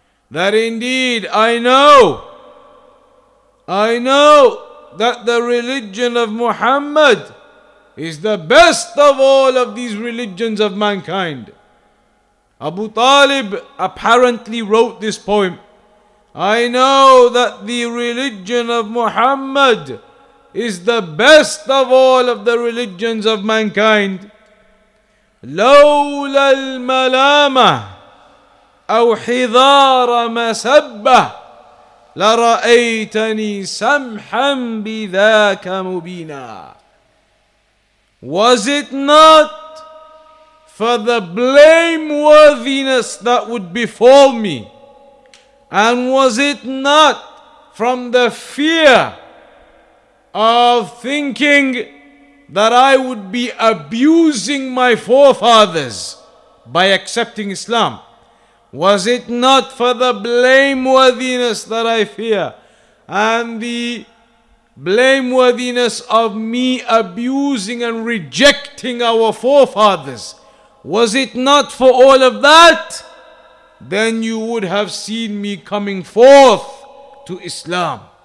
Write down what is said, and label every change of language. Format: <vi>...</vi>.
<en>That indeed, I know that the religion of Muhammad is the best of all of these religions of mankind. Abu Talib apparently wrote this poem. I know that the religion of Muhammad is the best of all of the religions of mankind.</en> <ar>لولا الملامة أو حذار مسبة لرأيتني سمحا بذاك مبينا.</ar> <en>Was it not for the blameworthiness that would befall me, and was it not from the fear of thinking that I would be abusing my forefathers by accepting Islam, was it not for the blameworthiness that I fear and the blameworthiness of me abusing and rejecting our forefathers, was it not for all of that, then you would have seen me coming forth to Islam.</en>